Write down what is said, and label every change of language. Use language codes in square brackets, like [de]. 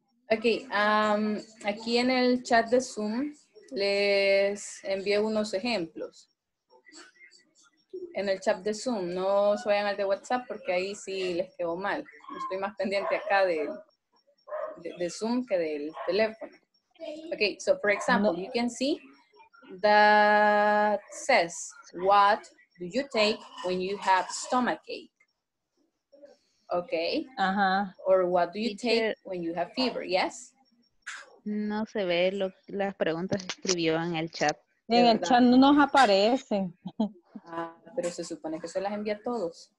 [es] Ok, aquí en el chat de Zoom les envié unos ejemplos. En el chat de Zoom, no se vayan al de WhatsApp porque ahí sí les quedó mal. Estoy más pendiente acá de Zoom que del teléfono. [en] Okay, so for example, no. You can see that says, what do you take when you have stomachache? Okay. Uh-huh. Or what do you take when you have fever? Yes? [es] No se ve lo las preguntas escribió en el chat. En el chat no nos aparecen. Pero se supone que se las envía a todos.